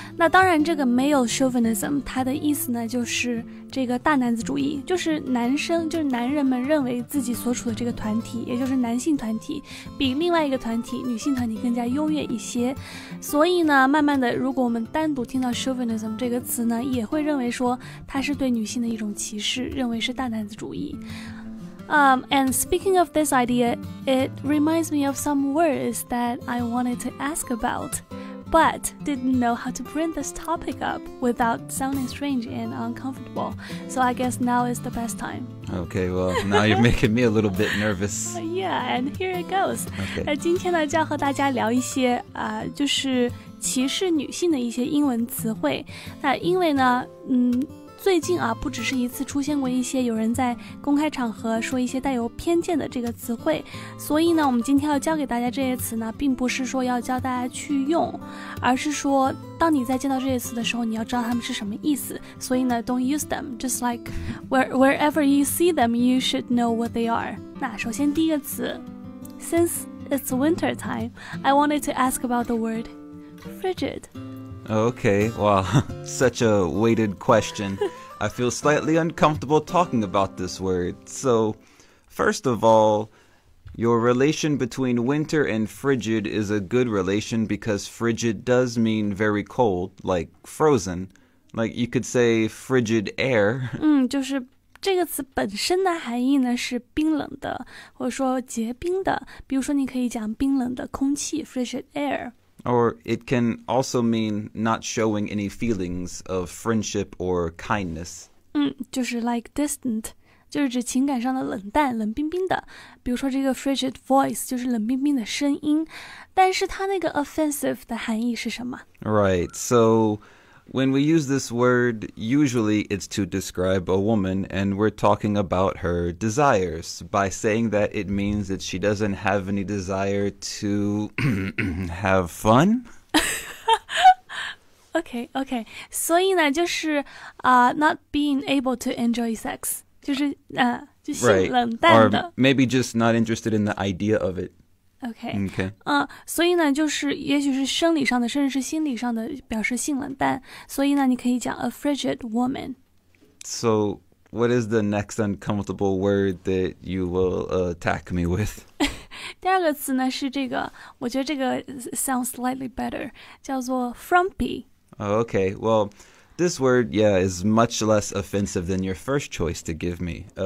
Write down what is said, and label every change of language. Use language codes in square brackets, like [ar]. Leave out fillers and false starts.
[zh] 那当然，这个 male chauvinism 它的意思呢，就是这个大男子主义，就是男生，就是男人们认为自己所处的这个团体，也就是男性团体，比另外一个团体、女性团体更加优越一些。所以呢，慢慢的，如果我们单独听到 chauvinism 这个词呢，也会认为说它是对女性的一种歧视，认为是大男子主义。 [en] And speaking of this idea, it reminds me of some words that I wanted to ask about, but didn't know how to bring this topic up without sounding strange and uncomfortable. So I guess now is the best time. Okay, well, now you're making me a little bit nervous. Yeah, and here it goes. Okay. [zh] 今天呢，就要和大家聊一些就是歧视女性的一些英文词汇。那因为呢，最近啊，不只是一次出现过一些有人在公开场合说一些带有偏见的这个词汇，所以呢，我们今天要教给大家这些词呢，并不是说要教大家去用，而是说，当你在见到这些词的时候，你要知道它们是什么意思。所以呢 [en] ，don't use them. Just like wherever you see them, you should know what they are. [zh] 那首先第一个词 [en] ，since it's winter time, I wanted to ask about the word frigid. Okay, well, such a weighted question. I feel slightly uncomfortable talking about this word. So, first of all, your relation between winter and frigid is a good relation because frigid does mean very cold, like frozen. Like, you could say frigid air. [zh] 就是这个词本身的含义呢是冰冷的，或者说结冰的。比如说你可以讲冰冷的空气 [en] frigid air. Or it can also mean not showing any feelings of friendship or kindness. [zh] 就是 [en] like distant, [zh] 就是指情感上的冷淡、冷冰冰的。比如说这个 [en] frigid voice, [zh] 就是冷冰冰的声音。但是它那个 offensive 的含义是什么？ [en] Right, so... When we use this word, usually it's to describe a woman, and we're talking about her desires. By saying that, it means that she doesn't have any desire to have fun. Okay, okay. [zh] 所以呢，就是 [en] not being able to enjoy sex. [zh] 就是就性冷淡的。 [en] Or maybe just not interested in the idea of it. Okay. [zh] 所以呢，就是也许是生理上的，甚至是心理上的，表示性冷淡。所以呢，你可以讲 [en] a frigid woman. So, what is the next uncomfortable word that you will attack me with? [zh] 第二个词呢是这个，我觉得这个 [en] sounds slightly better， [zh] 叫做 frumpy. [en] Okay. Well, this word, yeah, is much less offensive than your first choice to give me.